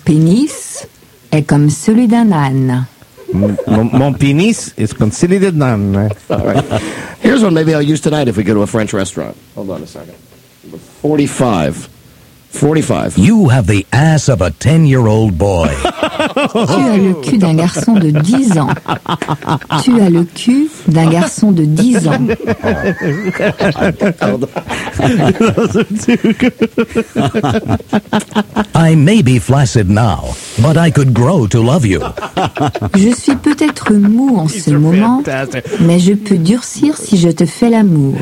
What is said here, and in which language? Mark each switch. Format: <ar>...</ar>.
<fr>Mon pénis est comme celui d'un âne. Mon pénis</fr> <en>is considered none. All right. Here's one maybe I'll use tonight if we go to a French restaurant. Hold on a second. 45. You have the ass of a 10-year-old boy.</en> <fr>Tu as le cul d'un garçon de 10 ans. Tu as le cul d'un garçon de 10 ans.</fr> <en>Those are too good. I may be flaccid now, but I could grow to love you.</en> <fr>Je suis peut-être mou en ce moment, mais je peux durcir si je te fais l'amour.</fr>